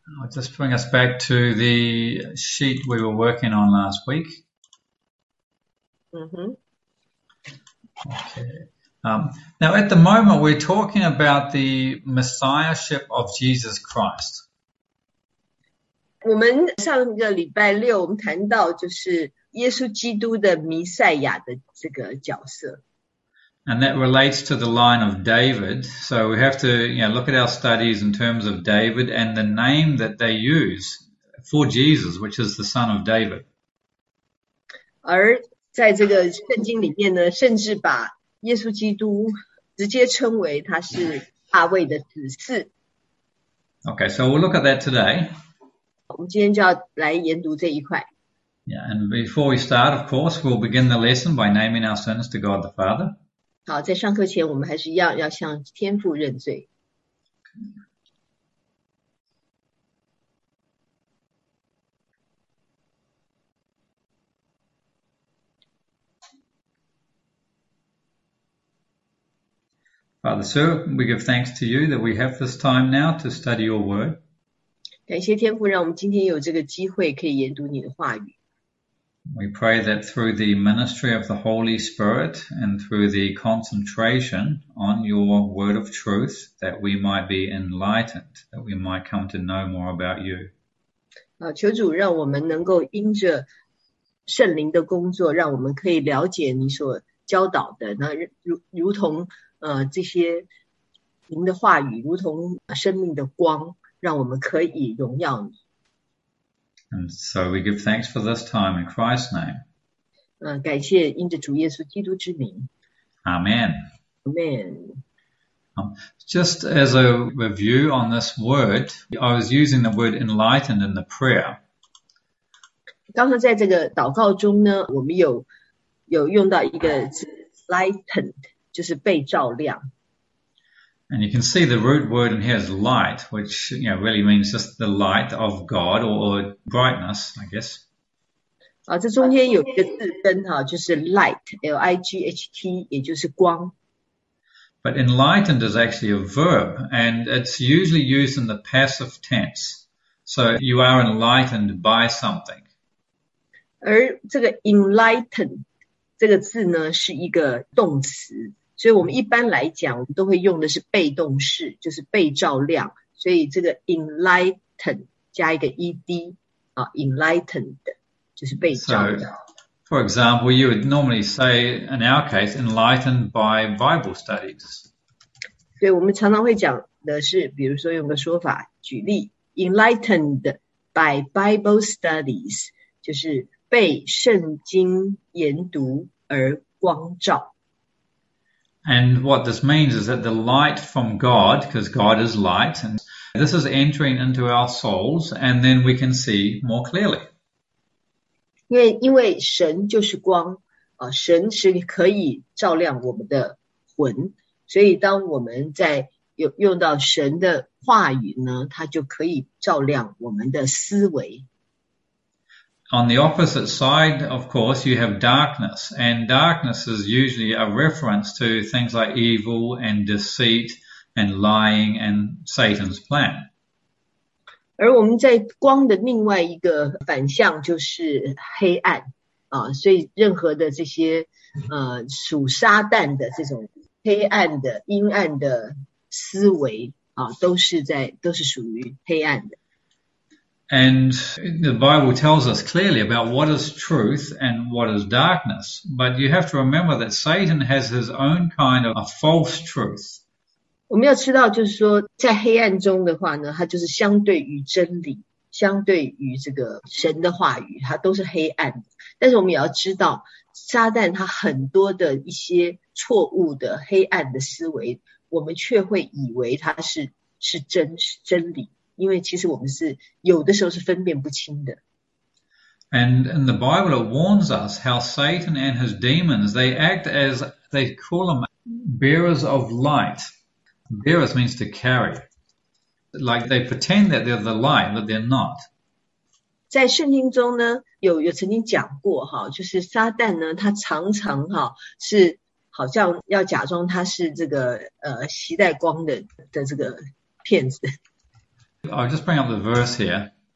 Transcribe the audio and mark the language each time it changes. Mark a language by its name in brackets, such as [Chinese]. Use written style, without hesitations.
[English] Just bring us back to the sheet we were working on last week. 嗯哼。 Okay. Now, at the moment, we're talking about the Messiahship of Jesus Christ. [Chinese] 我们上个礼拜六，我们谈到就是耶稣基督的弥赛亚的这个角色。 [English] And that relates to the line of David. So we have to, look at our studies in terms of David and the name that they use for Jesus, which is the Son of David. [Chinese] 而在这个圣经里面呢，甚至把耶稣基督直接称为他是大卫的子嗣。 [English] Okay, so we'll look at that today. [Chinese] 我们今天就要来研读这一块。 [English] And before we start, of course, we'll begin the lesson by naming our sins to God the Father. [Chinese] 好，在上课前，我们还是一样要向天父认罪。 [English] Father, sir, we give thanks to you that we have this time now to study your word. [Chinese] 感谢天父，让我们今天有这个机会可以研读你的话语。 [English] We pray that through the ministry of the Holy Spirit and through the concentration on your word of truth, that we might be enlightened, that we might come to know more about you. [Chinese] 求主让我们能够因着圣灵的工作，让我们可以了解你所教导的，那如同这些您的话语，如同生命的光。让我们可以荣耀你。 [English] And so we give thanks for this time in Christ's name. [Chinese] 感谢因着主耶稣基督之名。 [English] Amen. Amen。 Just as a review on this word, I was using the word enlightened in the prayer. [Chinese] 刚刚在这个祷告中呢，我们有用到一个字 lightened，就是被照亮。 [English] And you can see the root word in here is light, which really means just the light of God or brightness, I guess. [Chinese] 这中间有一个字根哈，就是 light，也就是光。 [English] But enlightened is actually a verb, and it's usually used in the passive tense. So you are enlightened by something. [Chinese] 而这个 enlighten 这个字呢，是一个动词，所以我们一般来讲，我们都会用的是被动式，就是被照亮。所以这个 enlighten 加一个 ed 啊，enlightened。就是被照 [English] So, [Chinese] 耀。 [English] for example, you would normally say, in our case, enlightened by Bible studies. [Chinese] 对，我们常常会讲的是，比如说用个说法举例， [English] enlightened by Bible studies， [Chinese] 就是被圣经研读而光照。 [English] And what this means is that the light from God, because God is light, and this is entering into our souls, and then we can see more clearly. [Chinese] 因为神就是光啊，神是可以照亮我们的魂，所以当我们在用到神的话语呢，它就可以照亮我们的思维。 [English] On the opposite side, of course, you have darkness, and darkness is usually a reference to things like evil and deceit and lying and Satan's plan. [Chinese] 而我们在光的另外一个反向就是黑暗啊，所以任何的这些属撒旦的这种黑暗的阴暗的思维啊，都是属于黑暗的。 [English] And the Bible tells us clearly about what is truth and what is darkness. But you have to remember that Satan has his own kind of a false truth. [Chinese] 我们要知道，就是说，在黑暗中的话呢，它就是相对于真理，相对于这个神的话语，它都是黑暗的。但是我们也要知道，撒旦他很多的一些错误的黑暗的思维，我们却会以为它是真理，因为其实我们是有的时候是分辨不清的。 [English] And in the Bible, it warns us how Satan and his demons, they act as, they call them bearers of light. Bearers means to carry. Like they pretend that they're the light, but they're not. [Chinese] 在圣经中呢，有曾经讲过哈，就是撒旦呢，他常常哈是好像要假装他是这个携带光的这个骗子。 [English] I'll just bring up the verse here.